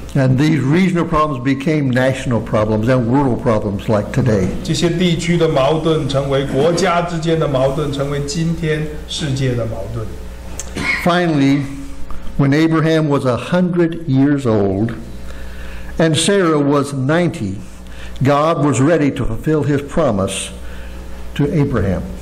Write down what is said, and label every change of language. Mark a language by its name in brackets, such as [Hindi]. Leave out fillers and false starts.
[English] And these regional problems became national problems and world problems like today. [Chinese] 这些地区的矛盾成为国家之间的矛盾，成为今天世界的矛盾。 [English] Finally, when Abraham was 100 years old and Sarah was 90, God was ready to fulfill his promise to Abraham.